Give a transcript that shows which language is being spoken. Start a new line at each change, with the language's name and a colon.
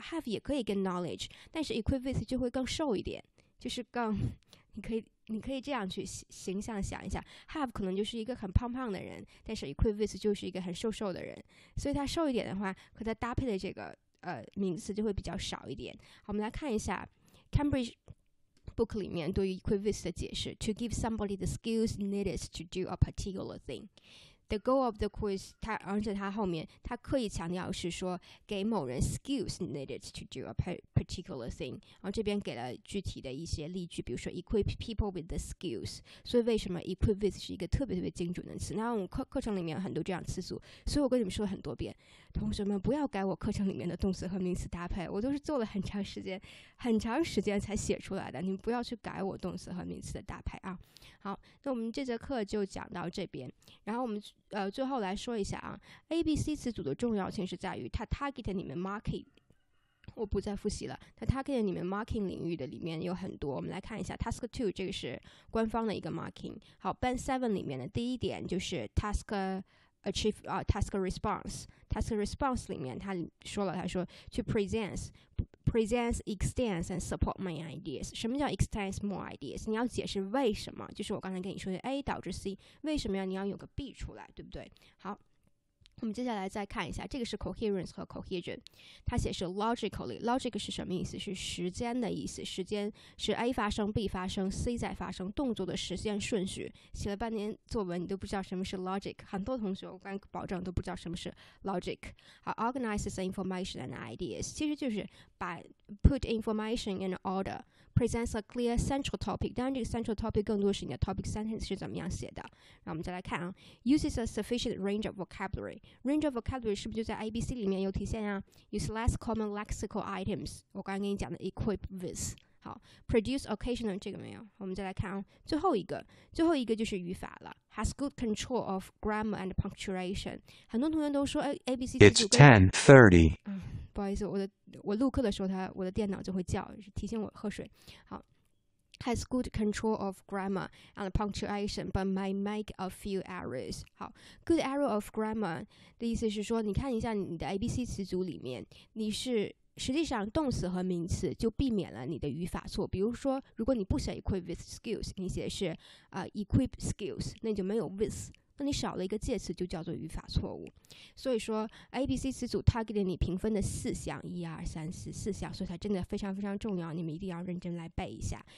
Chinese: have 也可以跟 knowledge， 但是 equip with 就会更瘦一点，就是更你可以这样去形象想一下， have 可能就是一个很胖胖的人，但是 equip with 就是一个很瘦瘦的人，所以他瘦一点的话和他搭配的这个名词就会比较少一点。好，我们来看一下 Cambridge book 里面对于 equip with 的解释。
English: To give somebody the skills needed to do a particular thing。 The goal of the quiz，
Chinese: 它而且它后面它刻意强调是说给某人 skills needed to do a particular thing。然后这边给了具体的一些例句，比如说
English: equip people with the skills。
Chinese: 所以为什么 equip with 是一个特别特别精准的词。那我们 课程里面有很多这样词组，所以我跟你们说很多遍，同学们不要改我课程里面的动词和名词搭配，我都是做了很长时间很长时间才写出来的，你们不要去改我动词和名词的搭配啊。好，那我们这节课就讲到这边，然后我们最后来说一下啊， ABC 词组的重要性是在于它 target 你们 market， 我不再复习了，它 target 你们 marking 领域的里面有很多。我们来看一下 task 2， 这个是官方的一个 marking。好， band 7里面的第一点就是
English: task achieve task response。
Chinese: task response 里面他说了，他说
English: to present extends and support my ideas。
Chinese: 什么叫
English: extends more ideas？
Chinese: 你要解释为什么，就是我刚才跟你说的 A 导致 C， 为什么要你要有个 B 出来，对不对？好，我们接下来再看一下，这个是 coherence 和 cohesion。它写是 logically， logic 是什么意思？是时间的意思，时间是 A 发生 B 发生 C 在发生，动作的实现顺序。写了半年作文你都不知道什么是 logic， 很多同学我敢保证都不知道什么是 logic。
English: 好， organizes information and ideas，
Chinese: 其实就是把
English: put information in order。 presents a clear central topic，
Chinese: 当然这个
English: central topic
Chinese: 更多是你的
English: topic sentence
Chinese: 是怎么样写的。然后我们再来看啊，
English: uses a sufficient range of vocabularyRange of vocabulary
Chinese: 是不是就在
English: ABC
Chinese: 里面有体现啊？
English: Use less common lexical items，
Chinese: 我刚刚跟你讲的
English: equip with。
Chinese: 好， produce occasional， 这个没有。我们再来看、哦、最后一个，最后一个就是语法了。
English: Has good control of grammar and punctuation。
Chinese: 很多同学都说
English: ABC
Chinese: 词组
English: It's 10:30、
Chinese: 不好意思，我录课的时候我的电脑就会叫，提醒我喝水。
English: 好，Has good control of grammar and punctuation, but may make a few errors.
Chinese: 好，
English: good error of grammar
Chinese: 的意思是说，你看一下你的 ABC 词组里面，你是实际上动词和名词就避免了你的语法错。比如说，如果你不写
English: equip with skills，
Chinese: 你写是
English: equip skills，
Chinese: 那你就没有 with。那你少了一个介词就叫做语法错误。所以说 ABC 词组 target 你评分的四项，一二三四四项，所以它真的非常非常重要，你们一定要认真来背一下。